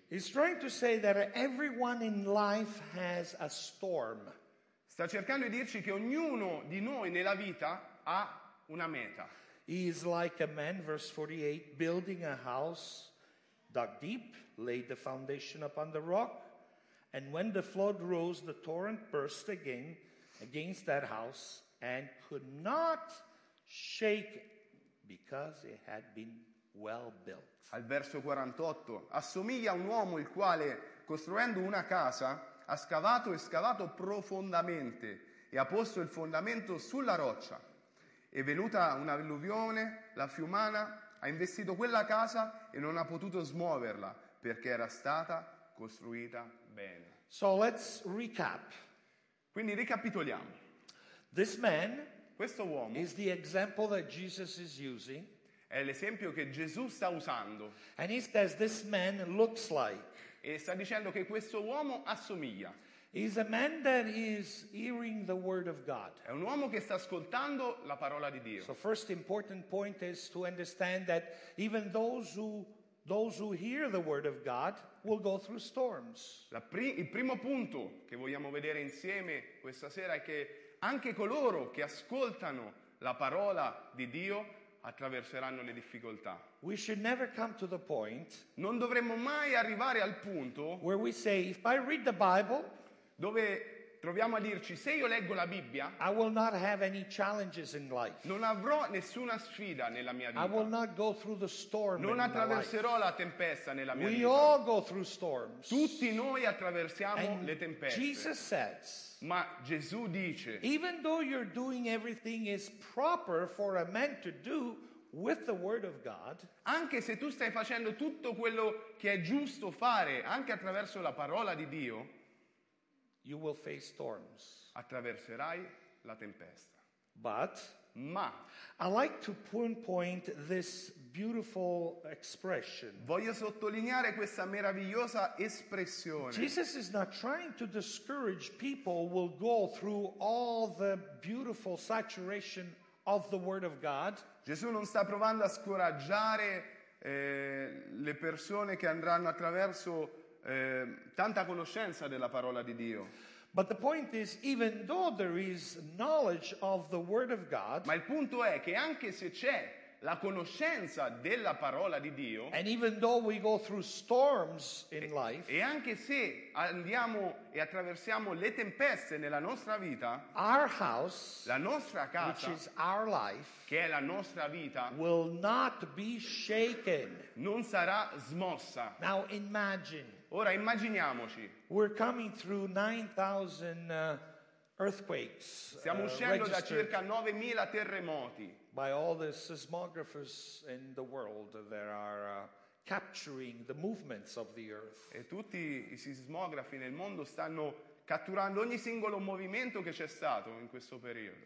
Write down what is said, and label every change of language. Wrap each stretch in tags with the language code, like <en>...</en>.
<en>He's trying to say that everyone in life has a storm.</en> <it>Sta cercando di dirci che ognuno di noi nella vita ha una meta.</it> <en>He is like a man, verse 48, building a house, dug deep, laid the foundation upon the rock. And when the flood rose, the torrent burst again against that house and could not shake because it had been well built.</en> <it>Al verso 48, assomiglia a un uomo il quale, costruendo una casa, ha scavato e scavato profondamente e ha posto il fondamento sulla roccia. E venuta un'alluvione, la fiumana ha investito quella casa e non ha potuto smuoverla perché era stata costruita bene.</it> <en>So let's recap.</en> <it>Quindi ricapitoliamo.</it> <en>This man,</en> <it>questo uomo,</it> <en>is the example that Jesus is using.</en> <it>È l'esempio che Gesù sta usando.</it> <en>And he says this man looks like.</en> <it>E sta dicendo che questo uomo assomiglia.</it> <en>He's a man that is hearing the word of God.</en> <it>È un uomo che sta ascoltando la parola di Dio.</it> <en>So first important point is to understand that even those who hear the word of God will go through storms.</en> <it>Il primo punto che vogliamo vedere insieme questa sera è che anche coloro che ascoltano la parola di Dio attraverseranno le difficoltà.</it> <en>We should never come to the point.</en> <it>Non dovremmo mai arrivare al punto</it> <en>where we say, if I read the Bible,</en> <it>dove troviamo a dirci, se io leggo la Bibbia,</it> <en>I will not have any challenges in life.</en> <it>Non avrò nessuna sfida nella mia vita.</it> <en>I will not go through the storm.</en> <it>Non attraverserò la tempesta nella mia</it> <en>we</en> <it>vita.</it> <en>We all go through storms.</en> <it>Tutti noi attraversiamo</it> <en>and</en> <it>le tempeste.</it> <en>Jesus says,</en> <it>ma Gesù dice,</it> <en>even though you're doing everything is proper for a man to do with the word of God,</en> <it>anche se tu stai facendo tutto quello che è giusto fare anche attraverso la parola di Dio,</it> <en>you will face storms.</en> <it>Attraverserai la tempesta.</it> <en>But,</en> <it>ma,</it> <en>I like to pinpoint this beautiful expression.</en> <it>Voglio sottolineare questa meravigliosa espressione.</it> <en>Jesus is not trying to discourage people who will go through all the beautiful saturation of the word of God.</en> <it>Gesù non sta provando a scoraggiare le persone che andranno attraverso tanta conoscenza della parola di Dio.</it> <en>But the point is, even though there is knowledge of the word of God,</en> <it>ma il punto è che anche se c'è la conoscenza della parola di Dio,</it> <en>and even though we go through storms in life,</en> <it>e anche se andiamo e attraversiamo le tempeste nella nostra vita,</it> <en>our house,</en> <it>la nostra casa,</it> <en>which is our life,</en> <it>che è la nostra vita,</it> <en>will not be shaken,</en> <it>non sarà smossa.</it> <en>Now imagine.</en> <it>Ora immaginiamoci.</it> <en>We're coming through 9,000 earthquakes.</en> <it>Stiamo uscendo da circa 9,000 terremoti.</it> <en>By all the seismographers in the world that are capturing the movements of the earth.</en> <it>E tutti i sismografi nel mondo stanno catturando ogni singolo movimento che c'è stato in questo periodo.</it>